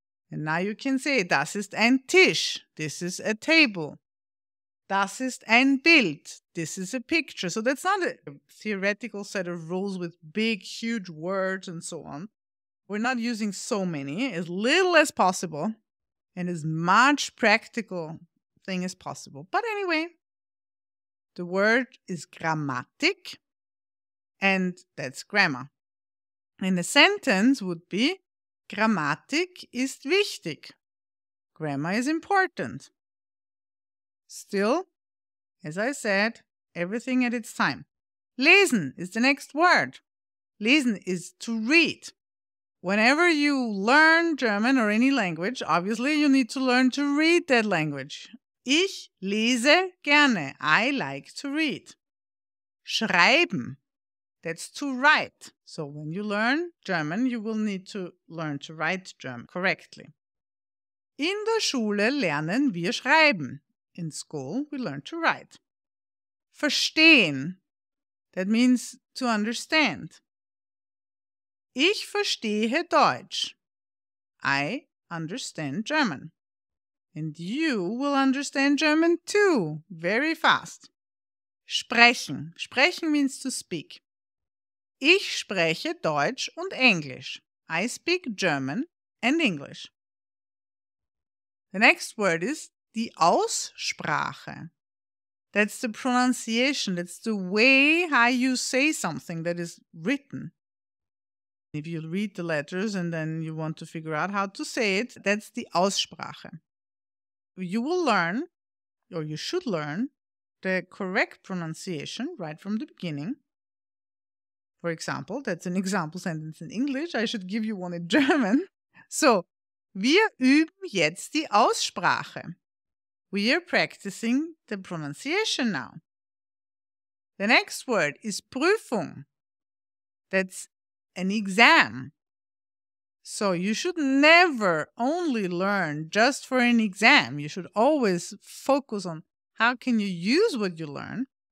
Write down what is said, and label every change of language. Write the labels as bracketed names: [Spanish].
[German] And now you can say das ist ein Tisch. [English] This is a table. [German] Das ist ein Bild. [English] This is a picture. So that's not a theoretical set of rules with big, huge words and so on. We're not using so many, as little as possible, and as much practical thing as possible. But anyway, the word is Grammatik, and that's grammar. And the sentence would be, [German] Grammatik ist wichtig. [English] Grammar is important. Still, as I said, everything at its time. Lesen is the next word. Lesen is to read. Whenever you learn German or any language, obviously you need to learn to read that language. [German] Ich lese gerne. [English] I like to read. Schreiben, that's to write. So when you learn German, you will need to learn to write German correctly. [German] In der Schule lernen wir schreiben. [English] In school, we learn to write. Verstehen, that means to understand. [German] Ich verstehe Deutsch. [English] I understand German. And you will understand German too, very fast. Sprechen. Sprechen means to speak. [German] Ich spreche Deutsch und Englisch. [English] I speak German and English. The next word is die Aussprache. That's the pronunciation. That's the way how you say something that is written. If you read the letters and then you want to figure out how to say it, that's the Aussprache. You will learn, or you should learn, the correct pronunciation right from the beginning. For example, that's an example sentence in English. I should give you one in German. [German] So, wir üben jetzt die Aussprache. [English] We are practicing the pronunciation now. The next word is Prüfung. That's an exam. So you should never only learn just for an exam. You should always focus on how can you use what you learn.